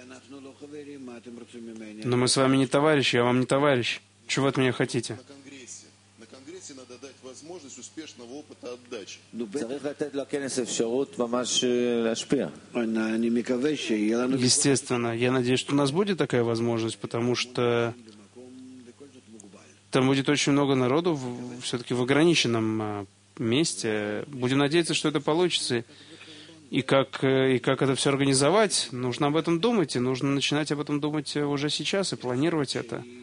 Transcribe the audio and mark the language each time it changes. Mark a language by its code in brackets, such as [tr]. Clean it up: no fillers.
[ru] Но мы с вами не товарищи, я вам не товарищ. Чего от меня хотите? На конгрессе надо дать возможность успешного опыта отдачи. [he] צריך לתת לו כנס אפשרות ממש להשפיע. אני מקווה שיהיה לנו... [ru] Естественно, я надеюсь, что у нас будет такая возможность, потому что там будет очень много народу, все-таки в ограниченном месте. Будем надеяться, что это получится. И как это все организовать, нужно об этом думать, и нужно начинать об этом думать уже сейчас и планировать это.